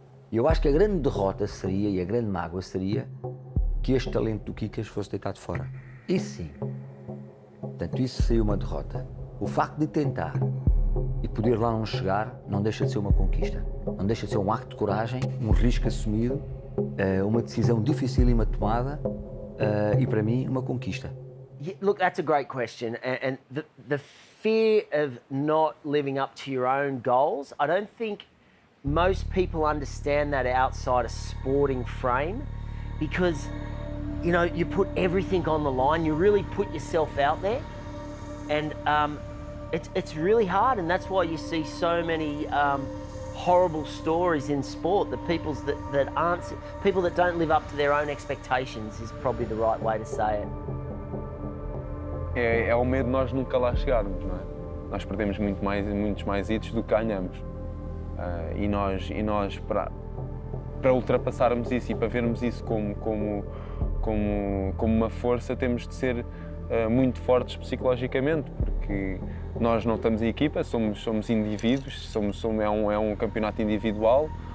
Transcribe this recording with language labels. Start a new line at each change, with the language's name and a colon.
Portuguese: Eu acho que a grande derrota seria, e a grande mágoa seria, que este talento do Kikas fosse deitado fora. E sim. Portanto, isso seria uma derrota. O facto de tentar e poder lá não chegar não deixa de ser uma conquista. Não deixa de ser um acto de coragem, um risco assumido, uma decisão dificílima tomada e, para mim, uma conquista.
English: Look, that's a great question. And the fear of not living up to your own goals, I don't think most people understand that outside a sporting frame, because, you know, you put everything on the line, you really put yourself out there, and it's really hard, and that's why you see so many horrible stories in sport. The people that don't live up to their own expectations is probably the right way to say it.
Portuguese: É o medo de nós nunca lá chegarmos, não é? Nós perdemos muitos mais hits do que ganhamos. E nós para ultrapassarmos isso e para vermos isso como uma força, temos de ser muito fortes psicologicamente, porque nós não estamos em equipa, somos indivíduos, é um campeonato individual.